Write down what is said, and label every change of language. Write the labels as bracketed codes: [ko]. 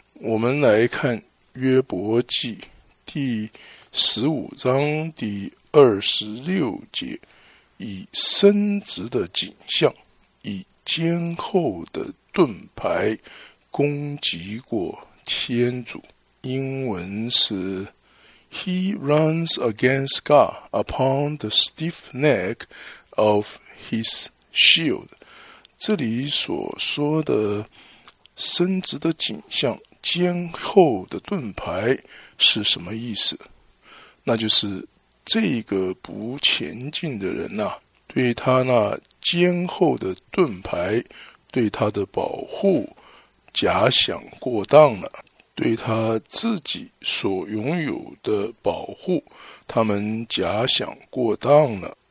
[zh] 我们来看约伯记第15:26，以伸直的颈项，以坚厚的盾牌攻击过天主。英文是 [en] He runs against God upon the stiff neck of his shield。 [zh] 这里所说的伸直的颈项、坚厚的盾牌是什么意思？那就是这个不前进的人啊，对他那坚厚的盾牌，对他的保护假想过当了，对他自己所拥有的保护他们假想过当了。